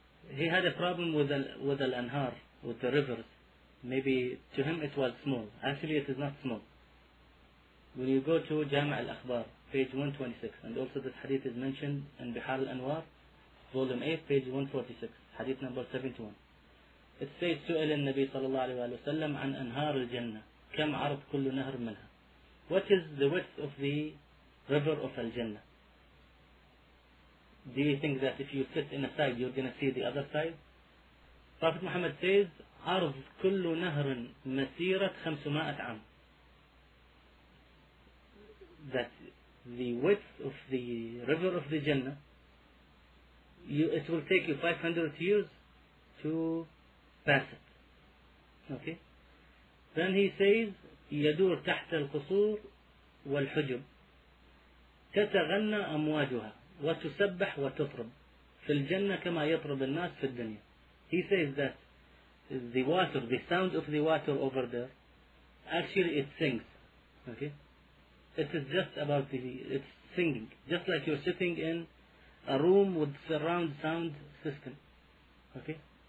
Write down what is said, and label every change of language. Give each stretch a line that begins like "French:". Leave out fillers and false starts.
English: He had a problem with al-anhar, with the rivers. Maybe to him it was small. Actually, it is not small. When you go to Jama' al-Akhbar, page 126, and also this hadith is mentioned in Bihar al-Anwar, volume 8, page 146, hadith number 71. It says,
Arabic: سؤال النبي صلى الله عليه وسلم عن أنهار الجنة كم عرض كل نهر منها.
English: What is the width of the river of al-Jannah? Do you think that if you sit in a side, you're going to see the other side? Prophet Muhammad says,
Arabic: عرض كل نهر مسيرة 500 عام.
English: That the width of the river of the Jannah, it will take you 500 years to pass it. Okay? Then he says,
Arabic: يدور تحت القصور والحجب تتغنى أمواجها وتسبح وتطرب في الجنة كما يطرب الناس في الدنيا.
English: He says that the water, the sound of the water over there, actually it sings. Okay? It is just about it's singing. Just like you're sitting in a room with surround sound system. Okay?